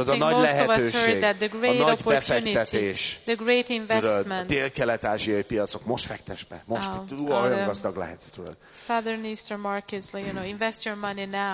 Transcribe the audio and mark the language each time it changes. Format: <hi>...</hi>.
<en>I think most of us heard that the great opportunity. The great investment.</en> <hu>A dél-kelet-ázsiai piacok, most fektess be. Most, olyan gazdag lehetsz.</hu> <en>Southern Eastern markets, you know, invest your money now.</en>